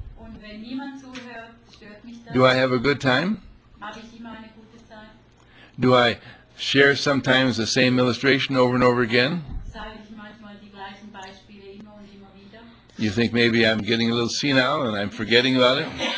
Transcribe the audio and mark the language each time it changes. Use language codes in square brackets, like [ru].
[de] Und wenn niemand zuhört, stört mich das? [en] Do I have a good time? [de] Habe ich immer eine gute Zeit? [en] Do I share sometimes the same illustration over and over again? [de] Sage ich manchmal die gleichen Beispiele immer und immer wieder? [en] You think maybe I'm getting a little senile and I'm forgetting about it?